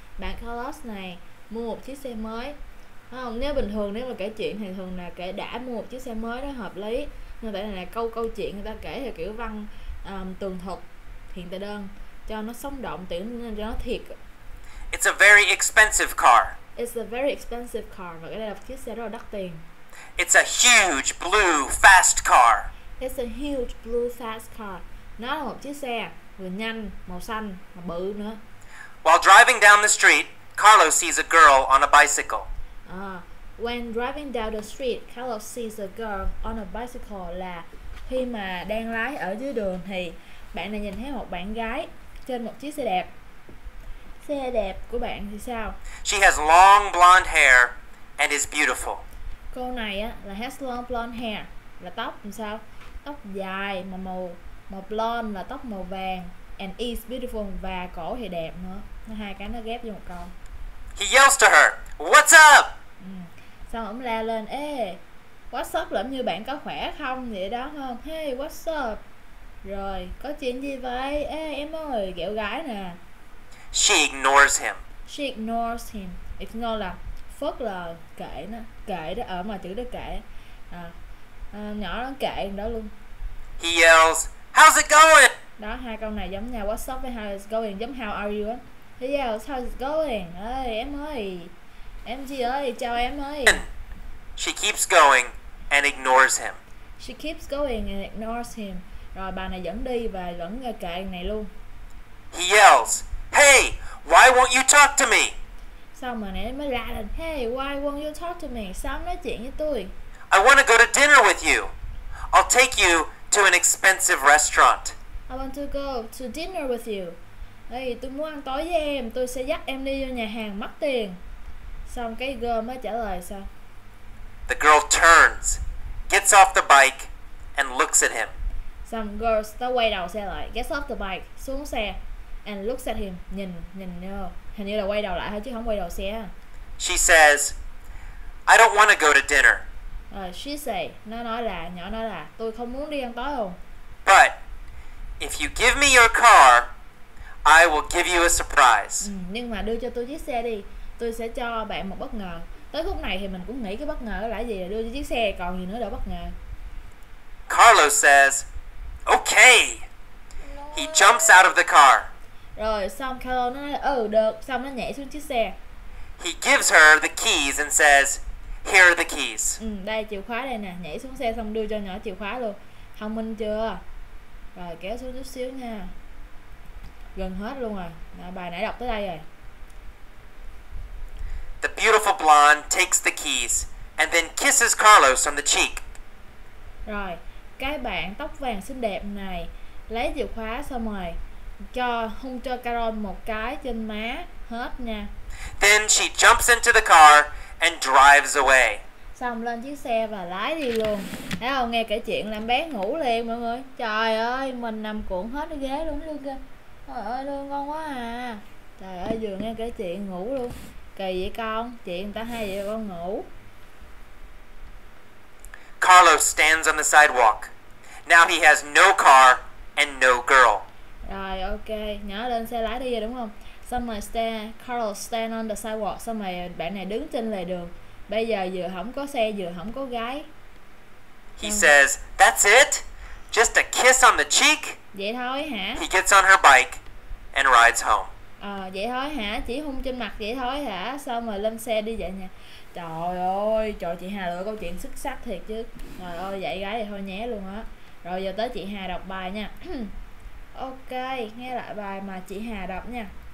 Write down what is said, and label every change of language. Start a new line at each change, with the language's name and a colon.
Vietnamese: Bạn Carlos này mua một chiếc xe mới. Không, nếu bình thường nếu mà kể chuyện thì thường là kể đã mua một chiếc xe mới đó hợp lý. Nhưng tại này là câu chuyện người ta kể theo kiểu văn tường thuật hiện tại đơn, cho nó sống động, tưởng cho nó thiệt.
English: It's a very expensive car. It's a very expensive car.
Vietnamese: Và cái này là chiếc xe rất là đắt tiền.
English: It's a huge blue fast car. It's a huge blue fast car.
Vietnamese: Nó là một chiếc xe vừa nhanh, màu xanh, mà bự nữa.
English: While driving down the street, Carlos sees a girl on a bicycle. When driving down the street, Carlos sees a girl on a bicycle.
Vietnamese: Là khi mà đang lái ở dưới đường thì bạn này nhìn thấy một bạn gái trên một chiếc xe đẹp. Xe đẹp của bạn thì sao?
English: She has long blonde hair and is beautiful.
Vietnamese: Cô này á là
English: has long blonde hair,
Vietnamese: là tóc làm sao? Tóc dài mà màu blonde, là tóc màu vàng,
English: and is beautiful,
Vietnamese: và cổ thì đẹp nữa. Hai cái nó ghép vô một câu.
English: He yells to her, "What's up?"
Vietnamese: Xong ổng la lên, "Ê,
English: what's up?"
Vietnamese: Là như bạn có khỏe không vậy đó, không?
English: "Hey, what's up?"
Vietnamese: Rồi, có chuyện gì vậy? Ê em ơi, kiểu gái nè.
English: She ignores him. She ignores him.
Vietnamese: Ignore là phớt lờ, kệ nó. Kệ đó, ở mà chữ đó kệ à, nhỏ nó kệ đó luôn.
English: He yells, "How's it going?"
Vietnamese: Đó, hai câu này giống nhau.
English: What's up với how is going, giống how are you. He yells, "How's it going?"
Vietnamese: Ê em ơi, em gì ơi, chào em ơi.
English: She keeps going and ignores him. She keeps going and ignores him.
Vietnamese: Rồi bà này vẫn đi và vẫn kệ anh này luôn.
English: He yells, "Hey, why won't you talk to me?"
Vietnamese: Xong rồi này mới la lên,
English: "Hey, why won't you talk to me?"
Vietnamese: Sao không nói chuyện với tôi?
English: "I want to go to dinner with you. I'll take you to an expensive restaurant." I want to go to dinner with you.
Vietnamese: Hey, tôi muốn ăn tối với em. Tôi sẽ dắt em đi vô nhà hàng mắc tiền. Xong cái girl mới trả lời sao?
English: The girl turns, gets off the bike, and looks at him. Some girls
Vietnamese: ta quay đầu xe lại,
English: gets off the bike,
Vietnamese: xuống xe,
English: and looks at him,
Vietnamese: nhìn nhau, hình như là quay đầu lại thôi chứ không quay đầu xe.
English: She says, "I don't want to go to dinner." She say,
Vietnamese: nó nói là, nhỏ nói là, tôi không muốn đi ăn tối không.
English: "But if you give me your car, I will give you a surprise."
Vietnamese: Nhưng mà đưa cho tôi chiếc xe đi, tôi sẽ cho bạn một bất ngờ. Tới khúc này thì mình cũng nghĩ cái bất ngờ là gì, là đưa cho chiếc xe, còn gì nữa để bất ngờ. Carlos says, "Okay." He jumps out of the car. Rồi xong Carlos nói, "Ừ được." Xong nó nhảy xuống chiếc xe. He gives her the keys and says, "Here are the keys." Đây chìa khóa đây nè. Nhảy xuống xe xong đưa cho nhỏ chìa khóa luôn. Thông minh chưa? Rồi kéo xuống chút xíu nha. Gần hết luôn rồi. Đó, bài nãy đọc tới đây rồi.
English: The beautiful blonde takes the keys and then kisses Carlos on the cheek.
Vietnamese: Rồi. Cái bạn tóc vàng xinh đẹp này lấy chìa khóa xong rồi cho hung cho Carol một cái trên má hết nha.
English: Then she jumps into the car and drives away.
Vietnamese: Xong lên chiếc xe và lái đi luôn. Thấy không, nghe kể chuyện làm bé ngủ liền mọi người. Trời ơi, mình nằm cuộn hết cái ghế luôn luôn kìa. Trời ơi, luôn ngon quá à. Trời ơi, vừa nghe kể chuyện ngủ luôn. Kỳ vậy con, chuyện người ta hay vậy con ngủ.
English: Carlos stands on the sidewalk. Now he has no car and no girl.
Vietnamese: Rồi ok, nhỏ lên xe lái đi rồi đúng không? Xong rồi
English: Carlos stand on the sidewalk.
Vietnamese: Xong rồi bạn này đứng trên lề đường. Bây giờ vừa không có xe, vừa không có gái.
English: He says, "That's it? Just a kiss on the cheek?"
Vietnamese: Vậy thôi hả?
English: He gets on her bike and rides home.
Vietnamese: Vậy thôi hả? Chỉ hôn trên mặt vậy thôi hả? Xong rồi lên xe đi vậy nha. Trời ơi, trời, chị Hà lựa câu chuyện xuất sắc thiệt chứ. Trời ơi, dạy gái thì thôi nhé luôn á. Rồi giờ tới chị Hà đọc bài nha. Ok, nghe lại bài mà chị Hà đọc nha.